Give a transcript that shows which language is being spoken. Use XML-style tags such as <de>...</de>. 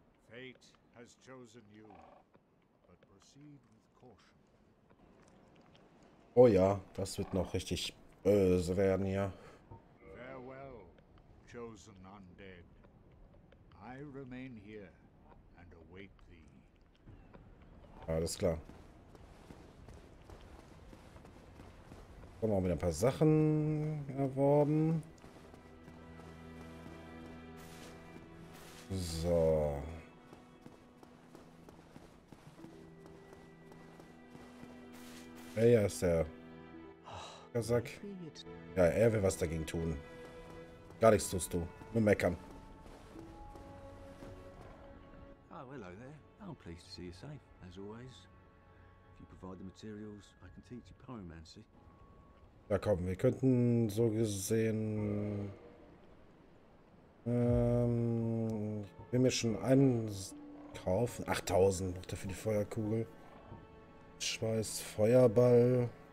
<en>Fate has chosen you, but proceed with caution.</en> <de>Oh ja, das wird noch richtig böse werden hier.</de> <en>Farewell, chosen undead. I remain here and await thee.</en> <de>Alles klar. Haben wir wieder ein paar Sachen erworben. So. Ja, ist der. Er sagt. Ja, er will was dagegen tun. Gar nichts tust du. Nur meckern.</de> <en>Oh, hello there. I'm pleased to see you safe, as always. If you provide the materials, I can teach you pyromancy.</en> <de>Ja, komm, wir könnten so gesehen. Ich will mir schon einen kaufen. 8000 noch dafür die Feuerkugel. Schweiß, Feuerball.</de>